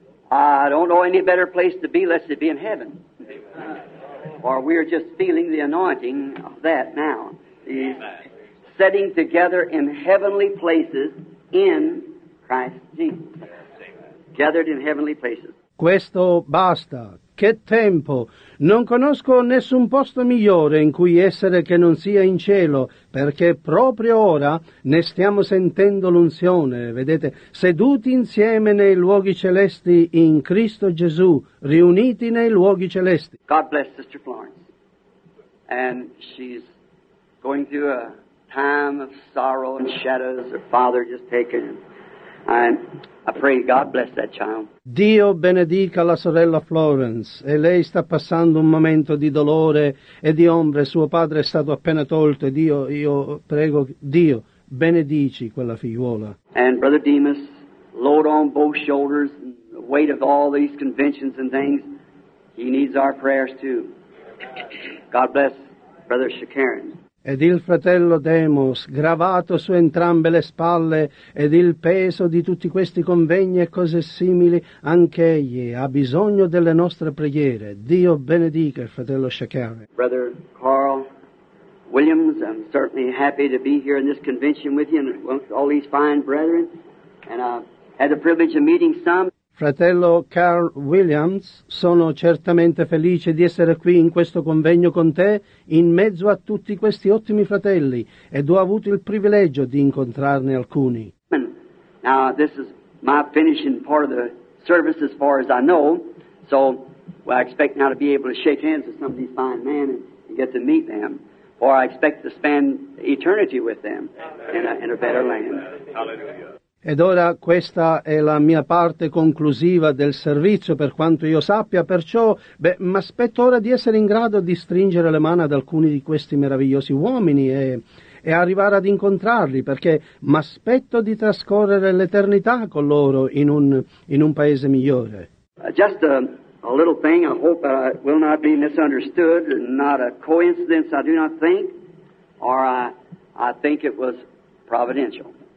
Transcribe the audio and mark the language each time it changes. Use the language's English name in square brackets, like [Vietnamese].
[English] I don't know any better place to be unless it be in heaven. Or we are just feeling the anointing of that now. He's setting together in heavenly places in Christ Jesus. Gathered in heavenly places. [Italian] Questo basta. Che tempo! Non conosco nessun posto migliore in cui essere che non sia in cielo, perché proprio ora ne stiamo sentendo l'unzione, vedete, seduti insieme nei luoghi celesti in Cristo Gesù, riuniti nei luoghi celesti. [English] God bless Sister Florence. And she's going through a time of sorrow and shadows, her father just taken. And I pray God bless that child. [Italian] Dio benedica la sorella Florence e lei sta passando un momento di dolore e di ombre. Suo padre è stato appena tolto e io prego Dio benedici quella figliuola. [English] And Brother Demas, load on both shoulders, the weight of all these conventions and things, he needs our prayers too. God bless Brother Shakarin. [Italian] Ed il fratello Demos, gravato su entrambe le spalle, ed il peso di tutti questi convegni e cose simili, anche egli ha bisogno delle nostre preghiere. Dio benedica il fratello Shakare. [English] Brother Carl Williams, I'm certainly happy to be here in this convention with you and with all these fine brethren, and I had the privilege of meeting some. [Italian] Fratello Carl Williams, sono certamente felice di essere qui in questo convegno con te, in mezzo a tutti questi ottimi fratelli, ed ho avuto il privilegio di incontrarne alcuni. [English] Now, this is my finishing part of the service, as far as I know, so well, I expect now to be able to shake hands with some of these fine men and get to meet them, or I expect to spend eternity with them in a better land. Hallelujah. [Italian] Ed ora questa è la mia parte conclusiva del servizio, per quanto io sappia, perciò mi aspetto ora di essere in grado di stringere le mani ad alcuni di questi meravigliosi uomini e arrivare ad incontrarli, perché mi aspetto di trascorrere l'eternità con loro in un paese migliore. [English] Just a little thing, I hope I will not be misunderstood, not a coincidence, I do not think, or I think it was providential.